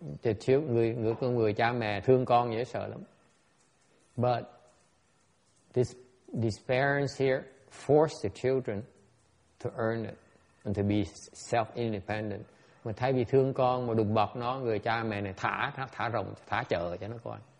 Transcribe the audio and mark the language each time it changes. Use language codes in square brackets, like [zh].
[vi] Thì trước người cha mẹ thương con dễ sợ lắm. [en] But these parents here force the children to earn it and to be self-independent. [vi] Mà thay vì thương con mà đùm bọc nó, người cha mẹ này thả rồng, thả chợ cho nó coi.